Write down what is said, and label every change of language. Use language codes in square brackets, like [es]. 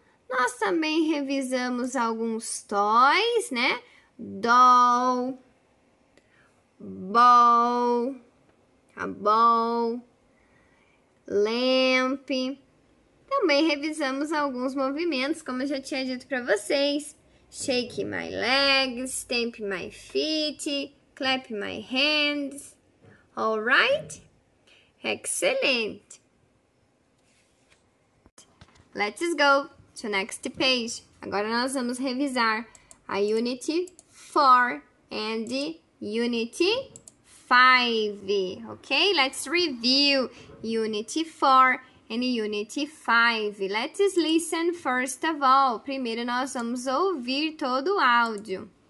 [pt] Nós também revisamos alguns toys, né? [en] Doll, ball, a ball, lamp. [pt] Também revisamos alguns movimentos, como eu já tinha dito para vocês. [en] Shake my legs, stamp my feet, clap my hands. All right? Excellent. Let's go to next page. [pt] Agora nós vamos revisar a Unit 4 and Unit 5. Okay? [en] Let's review Unit 4 and Unit 5. Let's listen first of all. [pt] Primeiro nós vamos ouvir todo o áudio.